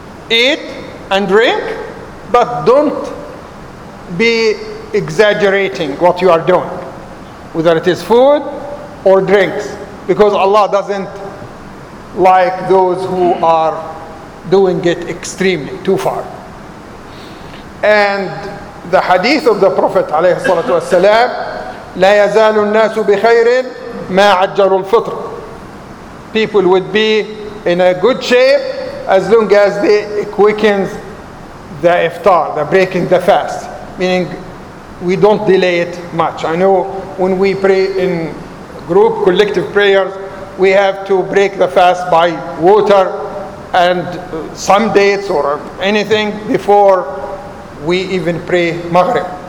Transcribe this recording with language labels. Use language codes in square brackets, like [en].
[en] Eat and drink, but don't be exaggerating what you are doing, whether it is food or drinks, because Allah doesn't like those who are doing it extremely, too far. And the hadith of the Prophet [ar] عليه الصلاة والسلام, لا يزال الناس بخير ما عجلوا الفطر. [en] People would be in a good shape as long as they quicken the iftar, the breaking the fast, meaning we don't delay it much. I know when we pray in group, collective prayers, we have to break the fast by water and some dates or anything before we even pray Maghrib.